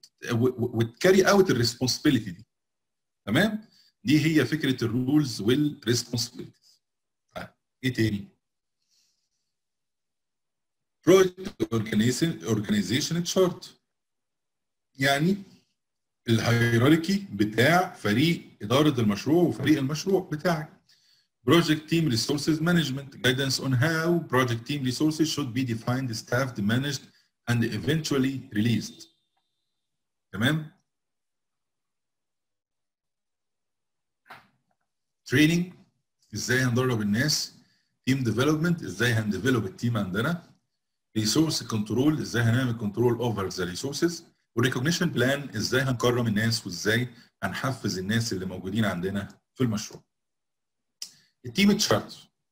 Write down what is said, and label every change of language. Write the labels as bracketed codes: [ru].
[ar] وتكاري اوت الريسبونسبيلتي دي. تمام، دي هي فكره الرولز والريسبونسبيلتيز. ايه تاني؟ بروجكت اورجانيزيشن تشارت، يعني الهيراركي بتاع فريق اداره المشروع وفريق المشروع بتاعك. [en] Project Team Resources Management Guidance on how Project Team Resources should be defined, staffed, managed, and eventually released. [ar] تمام؟ Training ازاي هندرب الناس؟ Team Development ازاي هندفلوب التيم عندنا؟ Resource Control ازاي هنعمل [en] Control over the Resources؟ [ar] Recognition Plan ازاي هنكرم الناس وازاي هنحفز الناس اللي موجودين عندنا في المشروع؟ التيم تشارتر.